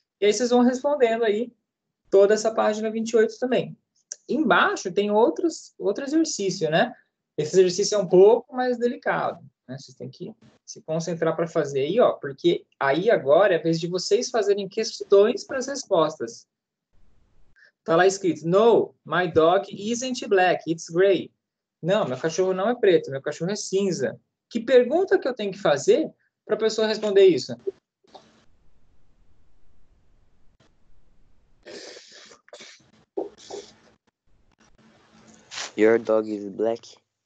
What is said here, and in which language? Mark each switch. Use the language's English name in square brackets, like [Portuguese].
[Portuguese] E aí, vocês vão respondendo aí toda essa página 28 também. Embaixo tem outro exercício, né? Esse exercício é um pouco mais delicado. Vocês têm que se concentrar para fazer aí, ó, porque aí agora é a vez de vocês fazerem questões para as respostas. Tá lá escrito, [English] no, my dog isn't black, it's gray. [Portuguese] Não, meu cachorro não é preto, meu cachorro é cinza. Que pergunta que eu tenho que fazer para a pessoa responder isso? [English] Your dog is black?